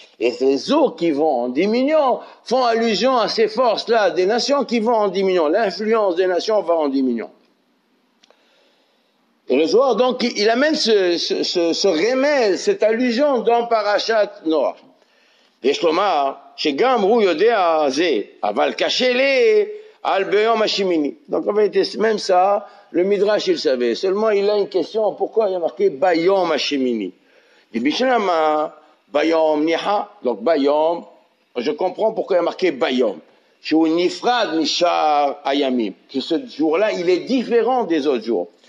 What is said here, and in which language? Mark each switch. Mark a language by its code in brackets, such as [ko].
[fr] Et ces eaux qui vont en diminuant font allusion à ces forces-là, des nations qui vont en diminuant. L'influence des nations va en diminuant. Et le Zohar, donc, il amène ce remède, cette allusion dans Parashat Noir. [he] יש לומר שגם הוא יודע זה, אבל קשה לי על ביום השמיני. [fr] Donc en fait, même ça, le midrash il savait. Seulement, il a une question, pourquoi il a marqué [he] ביום השמיני? [fr] Et [he] bishlama ביום ניחא. [fr] Donc ביום, je comprends pourquoi il a marqué ביום. [he] שהוא נפרד משאר הימים. [fr] Que ce jour-là, il est différent des autres jours.